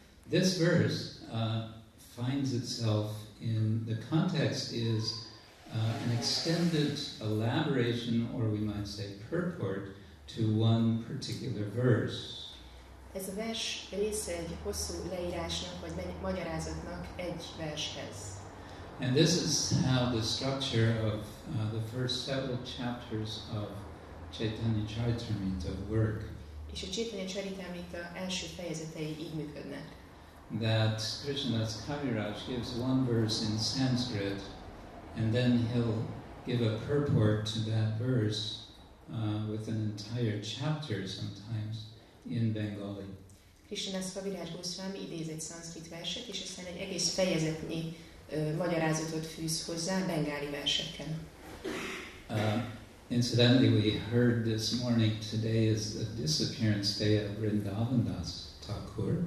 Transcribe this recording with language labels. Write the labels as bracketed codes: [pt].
[en] This verse finds itself in, the context is an extended elaboration, or we might say purport, to one particular verse. [hu] Ez a vers része egy hosszú leírásnak, vagy magyarázatnak egy vershez. [en] And this is how the structure of the first several chapters of Chaitanya Charitamrita work. [hu] És a Chaitanya Charitamrita első fejezetei így működnek. [en] That Krishnadas Kaviraj gives one verse in Sanskrit, and then he'll give a purport to that verse with an entire chapter sometimes in Bengali. [hu] Krishnadas Kaviraj Goswami idéz egy Sanskrit verset, és aztán egy egész fejezetnyi magyarázatot fűz hozzá bengáli versekkel. [en] Incidentally, we heard this morning, today is the disappearance day of Vrindavan Das Thakur.